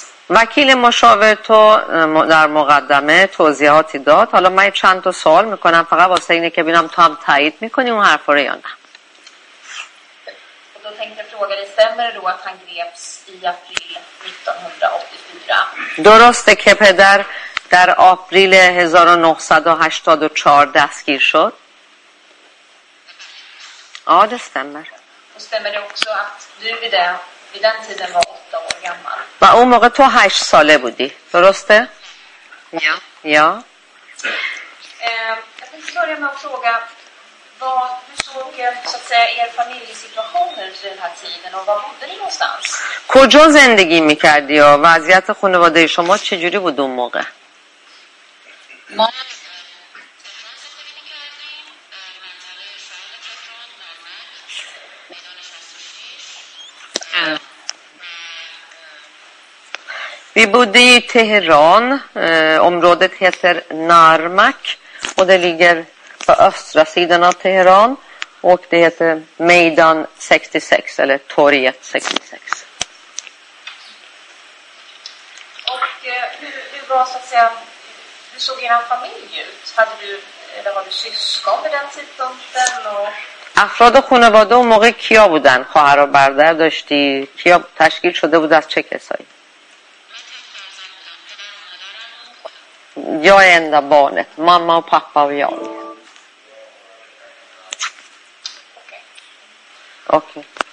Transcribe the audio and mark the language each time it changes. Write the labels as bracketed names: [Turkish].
[Persian] وکیل مشاور تو در مقدمه توضیحاتی داد حالا من چند تا سوال میکنم فقط واسه اینه که ببینم تو هم تایید میکنی اون حرف رو یا نه درسته که پدر در آپریل 1984 دستگیر شد آه دستمبر [Swedish] stämmer det också att du vid den tiden var 8 år gammal. [Persian] Va, اون موقع تو 8 ساله بودی. درسته؟ [Swedish] Ja. Ja. Jag tänkte börja med att fråga vad du såg så att säga er familjesituation under den här tiden och var bodde ni någonstans? [Persian] کجا زندگی می‌کردی یا وضعیت خانواده شما چه جوری بود اون موقع؟ ما [Swedish] Vi bodde i Teheran, området heter Narmak och det ligger på östra sidan av Teheran och det heter Meydan 66 eller Torget 66. Och hur var så att säga, hur såg er familj ut? Hade du, eller var du syskon vid den tidpunkten och... [Persian] افراد خانواده اون موقع کیا بودن؟ خواهر و برادر داشتی؟ کیا تشکیل شده بود از چه کسایی؟ من یا اینده بانت، ماما و پاپا و یا اوکی